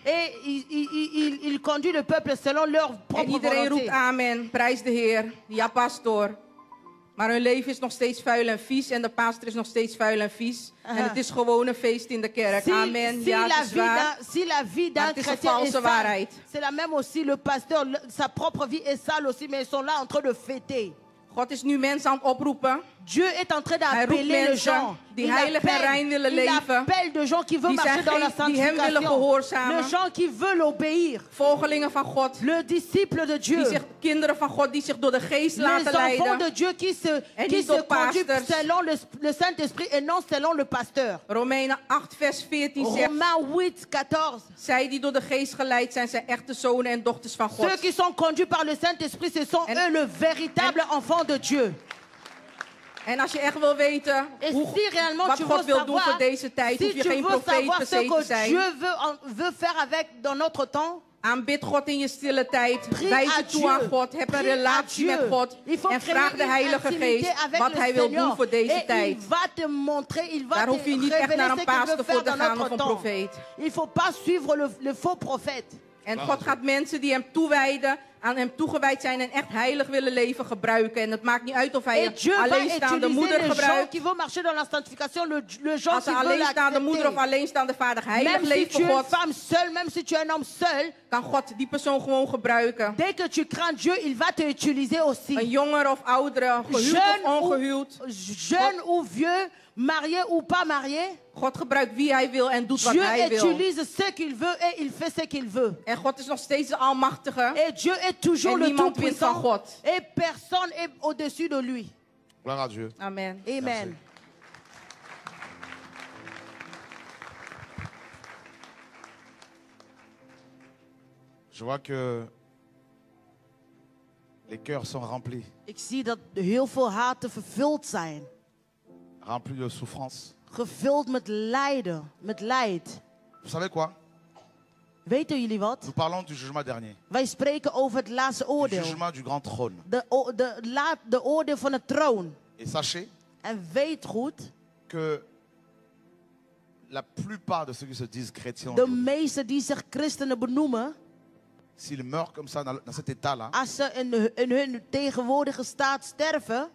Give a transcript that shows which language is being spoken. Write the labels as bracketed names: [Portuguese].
[French] Et il conduit le peuple selon leur propre volonté. [Dutch] En iedereen roept amen, prijs de Heer, ja pastoor. Maar hun leven is nog steeds vuil en vies en de pastor is nog steeds vuil en vies. En het is gewoon een feest in de kerk. Amen. [French] Si, [Dutch] ja, het is waar. [French] Si la vie d'un [Dutch] maar het is een valse waarheid. [French] C'est la même aussi le pasteur, sa propre vie est sale aussi, mais ils sont là en train de fêter. [Dutch] God is nu mensen aan het oproepen. [French] Dieu est en train d'appeler les gens [Dutch] die heilig en rein willen leven. [French] Appel de gens qui veulent marcher dans la sanctification. [Dutch] Die hem willen gehoorzamen. [French] Les gens qui veulent obéir. [Dutch] Volgelingen van God. [French] Le disciple de Dieu. [Dutch] Die zich kinderen van God die zich door de Geest laten leiden. [French] Les enfants de Dieu qui se conduit selon le Saint-Esprit et non selon le pasteur. [Dutch] Romeinen 8 vers 14 zegt. [French] Romains 8 14. [Dutch] Zij die door de Geest geleid zijn zijn echte zonen en dochters van God. [French] Ceux qui sont conduits par le Saint-Esprit ce sont eux le véritable enfant de Dieu. [Dutch] En als je echt wil weten wat God wil doen voor deze tijd, hoef je geen profeet te zijn. [French] Dieu veut faire avec dans notre temps, [Dutch] Aanbid God in je stille tijd. Wijs je toe aan God. Heb een relatie met God. En vraag de Heilige Geest wat hij wil doen voor deze tijd. Daar hoef je niet echt naar een pastoor voor te gaan of een profeet. [French] Il faut pas suivre le faux prophète. [Dutch] En God gaat mensen die hem toewijden, aan hem toegewijd zijn en echt heilig willen leven gebruiken. En het maakt niet uit of hij een alleenstaande moeder gebruikt. Als een alleenstaande moeder of alleenstaande vader heilig leeft voor God. [French] Femme seule, même si tu es un homme seul, [Dutch] kan God die persoon gewoon gebruiken. [French] Dès que tu crains Dieu, il va te utiliser aussi. [Dutch] Een jongere of oudere, gehuwd of ongehuwd. [French] Jeune ou vieux, marié ou pas marié. [Dutch] God gebruikt wie hij wil en doet [French] Dieu [Dutch] wat hij wil. [French] Utilise ce qu'il veut et il fait ce qu'il veut. [Dutch] En God is nog steeds de almachtige. [French] Et Dieu est toujours [Dutch] en [French] le [Dutch] niemand wint van God. [French] Et personne est au-dessus de lui. Gloire à Dieu. Amen. Amen. Je vois que les cœurs sont remplis. [Dutch] Ik zie dat heel veel harten vervuld zijn. [French] Remplis de souffrance. [Dutch] Gevuld met lijden, met leid. [French] Vous savez quoi? [Dutch] Weten jullie wat? [French] Nous parlons du jugement dernier. [Dutch] Wij spreken over het laatste oordeel. [French] Du jugement du grand trône. [Dutch] De oordeel van de troon. [French] Et sachez, [Dutch] en weet goed [French] que la plupart de ceux qui se disent chrétiens, [Dutch] de meesten die zich christenen benoemen, [French] s'ils meurent comme ça dans cet état là, [Dutch] als ze in hun tegenwoordige staat sterven,